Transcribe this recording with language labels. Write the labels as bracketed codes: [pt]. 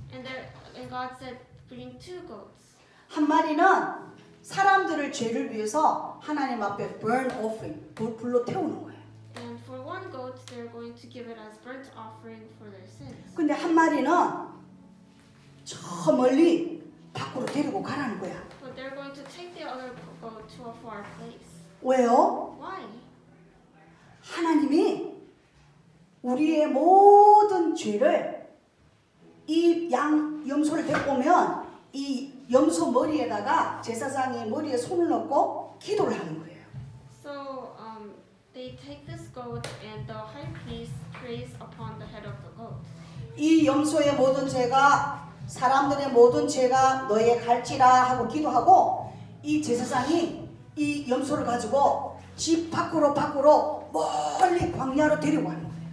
[en] And God said, bring two goats. [ko] 한 마리는 사람들을 죄를 위해서 하나님 앞에 [en] burn offering, [ko] 불로 태우는 거예요. [en] And for one goat, they're going to give it as burnt offering for their sins. [ko] 근데 한 마리는 저 멀리 밖으로 데리고 가라는 거야. [en] But they're going to take the other goat to a far place. [ko] 왜요? [en] Why? [ko] 하나님이 우리의 모든 죄를 이 양 염소를 데리고 오면 이 염소 머리에다가 제사장이 머리에 손을 넣고 기도를 하는 거예요. [en] So they take this goat and the high priest prays upon the head of the goat. [ko] 이 염소의 모든 죄가 사람들의 모든 죄가 너에게 갈지라 하고 기도하고 이 제사장이 이 염소를 가지고 집 밖으로 멀리 광야로 데리고 와요.